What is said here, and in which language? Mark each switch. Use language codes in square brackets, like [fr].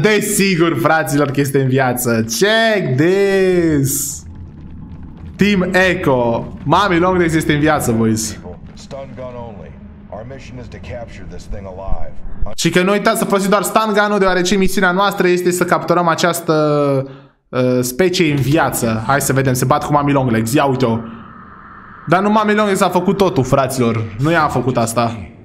[ro] Desigur, fraților, că este în viață. [en] Check this. [ro] Team Echo. Mami Longlegs este în viață, boys. [en] Stun gun only. Our mission is to capture this thing alive. [ro] Și că nu uitați să folosim doar stun gun-ul, deoarece misiunea noastră este să capturăm această specie în viață. Hai să vedem, se bat cu Mami Longlegs. Ia uite-o. Dar nu Mami Longlegs a făcut totul, fraților. Nu i-a făcut asta.